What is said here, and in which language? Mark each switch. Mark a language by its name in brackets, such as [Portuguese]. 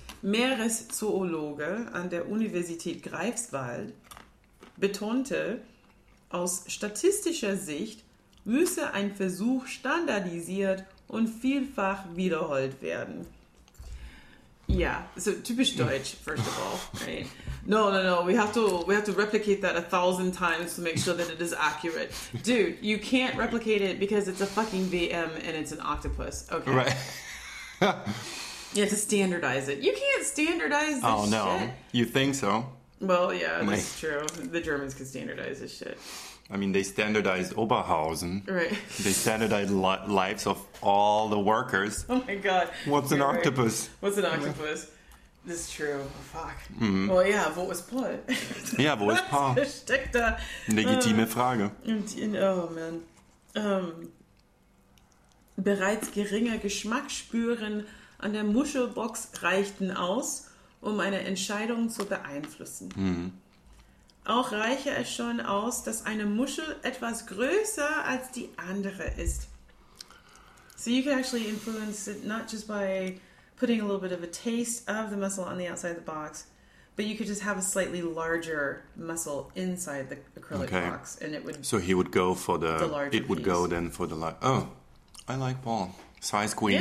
[German] Meereszoologe an der Universität Greifswald betonte, aus statistischer Sicht müsse ein Versuch standardisiert und vielfach wiederholt werden. [English] Yeah, so [German] typisch Deutsch, [English] first of all, right? No, we have to replicate that 1,000 times to make sure that it is accurate. Dude, you can't replicate it because it's a fucking VM and it's an octopus, okay? Right. You have to standardize it. You can't standardize this shit. Oh, no. You think so? Well, yeah, that's true. The Germans can standardize this shit. I mean, they standardized Oberhausen. Right. They standardized lives of all the workers. Oh, my God. What's an octopus? What's an octopus? This is true. Oh, fuck. Mm-hmm. Well, yeah, [German] wo ist Paul? Ja, wo ist Paul? Was steckt da? Legitime Frage. [English] Oh, man. [German] Bereits geringe Geschmacksspüren an der Muschelbox reichten aus, um eine Entscheidung zu beeinflussen. Mhm. Auch reiche es schon aus, dass eine Muschel etwas größer als die andere ist. [English] So you can actually influence it not just by putting a little bit of a taste of the mussel on the outside of the box, but you could just have a slightly larger mussel inside the acrylic okay. box, and it would. So he would go for the larger. It would piece. Go then for the large. Oh, I like Paul. Size queen.